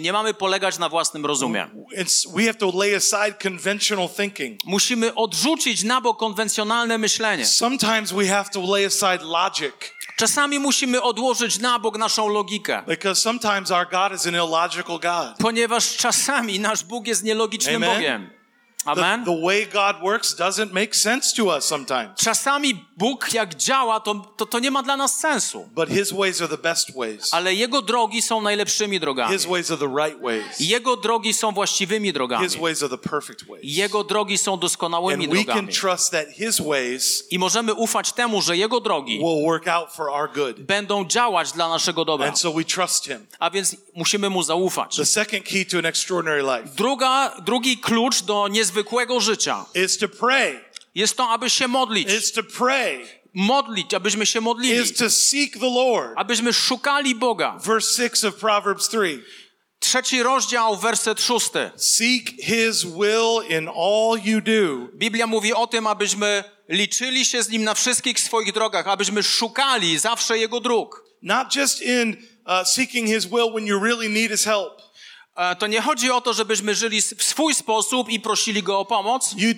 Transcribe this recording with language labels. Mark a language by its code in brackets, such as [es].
[pl] Nie mamy polegać na własnym rozumie. [en] We have to lay aside conventional thinking. [pl] Musimy odrzucić na bok konwencjonalne myślenie. [en] Sometimes we have to lay aside logic. [pl] Czasami musimy odłożyć na bok naszą logikę. [en] Because sometimes our God is an illogical God. [pl] Ponieważ czasami nasz Bóg jest nielogicznym [en] Amen. [pl] Bogiem. Amen. [en] The way God works doesn't make sense to us sometimes. [pl] Czasami Bóg jak działa, to nie ma dla nas sensu. [en] But his ways are the best ways. [pl] Ale jego drogi są najlepszymi drogami. [en] His ways are the right ways. [pl] Jego drogi są właściwymi drogami. [en] His ways are the perfect ways. [pl] Jego drogi są doskonałymi drogami. [en] And we can trust that his ways [pl] i możemy ufać temu, że jego drogi [en] will work out for our good. [pl] Będą działać dla naszego dobra. [en] And so we trust him. [pl] A więc musimy mu zaufać. [en] The second key to an extraordinary life. [pl] Drugi klucz do niezwykłego życia. [en] Is to pray. [pl] Jest to, aby się modlić. [en] Is to pray. [pl] Modlić, abyśmy się modlili. [en] Is to seek the Lord. [pl] Abyśmy szukali Boga. [en] Verse 6 of Proverbs 3. [pl] Trzeci rozdział, werset 6. [en] Seek his will in all you do. [pl] Biblia mówi o tym, abyśmy liczyli się z nim na wszystkich swoich drogach, abyśmy szukali zawsze jego dróg. [en] Not just in seeking his will when you really need his help. [pl] To nie chodzi o to, żebyśmy żyli w swój sposób i prosili Go o pomoc.